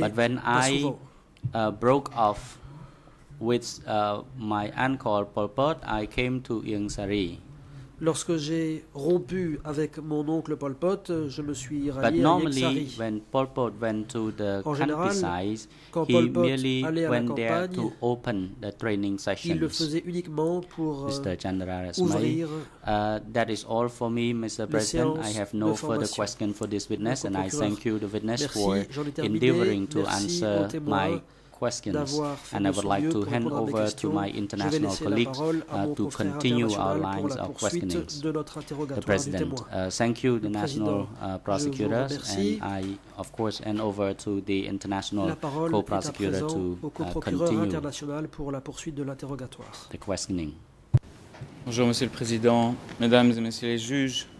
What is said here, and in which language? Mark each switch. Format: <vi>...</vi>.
<en>but when I broke off with my uncle Pol Pot, I came to Yeng Sari.</en> <fr>Lorsque j'ai rompu avec mon oncle Pol Pot, je me suis rallié</fr> <en>But</en> <fr>à Yeng Sari.</fr> <en>When Pol Pot went to the</en> <fr>en général,</fr> <en>countryside,</en> <fr>quand</fr> <en>he</en> <fr>Pol Pot</fr> <en>merely</en> <fr>allait</fr> <en>went</en> <fr>à la campagne,</fr> <en>there to open the training sessions.</en> <fr>Il le faisait uniquement pour ouvrir.</fr> <en>That is all for me, Mr. President. I have no further question for this witness, and I thank you, the witness,</en> <fr>Merci,</fr> <en>for endeavoring to</en> <fr>Merci</fr> <en>answer my questions, and I would like to hand over to my international colleagues to continue our lines of questioning. The President, thank you, the national prosecutors, and I, of course, hand over to the international co-prosecutor to continue</en> <fr>pour la poursuite de l'interrogatoire.</fr> <en>The questioning.</en> <fr>Bonjour, Monsieur le Président, Mesdames et Messieurs les juges.</fr>